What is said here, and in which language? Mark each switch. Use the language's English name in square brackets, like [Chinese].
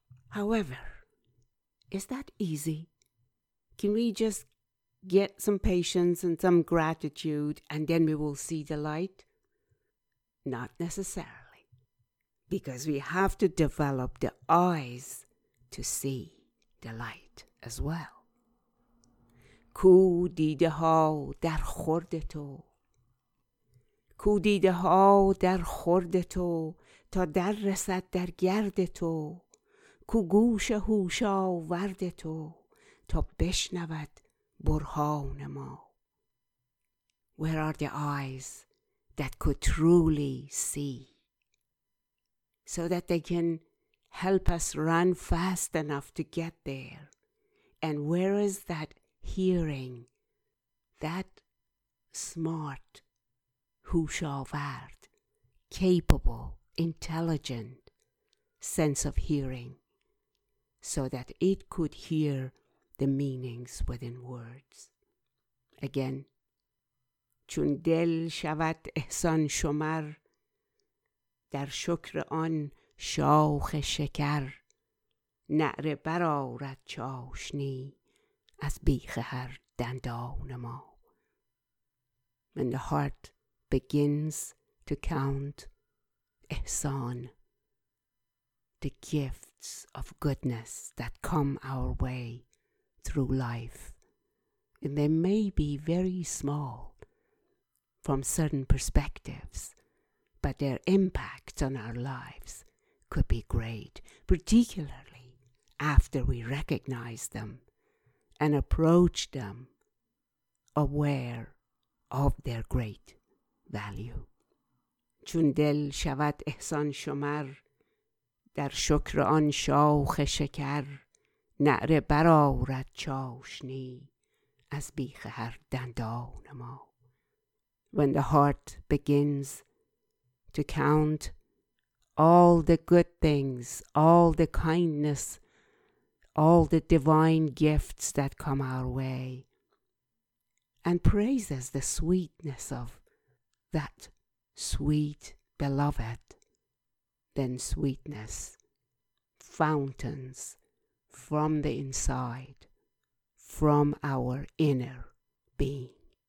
[English] However, is that easy? Can we just get some patience and some gratitude and then we will see the light? Not necessarily, because we have to develop the eyes to see the light as well. [Persian] کو دیده ها در خورد تو، کو دیده ها در خورد تو، تا در رسد در گرد تو، کو گوش هوش آورد تو، تا بشنود برهان ما. [English] Where are the eyes that could truly see, so that they can help us run fast enough to get there? And where is that hearing, that smart, hushavard, capable, intelligent sense of hearing, so that it could hear the meanings within words? Again, [Persian] چون دل شود احسان شمر در شکر آن شاخ شکر نعره برآورد چاشنی از بیخ هر دندان ما. [English] When the heart begins to count ihsan, the gifts of goodness that come our way through life, and they may be very small from certain perspectives, but their impact on our lives could be great, particularly after we recognize them and approach them aware of their great value. [Persian] چون دل شود احسان شمر در شکر آن شاخ شکر نعره برآورد چاشنی از بیخ هر دندان ما. [English] When the heart begins to count all the good things, all the kindness, all the divine gifts that come our way, and praises the sweetness of that sweet beloved, then sweetness fountains from the inside, from our inner being.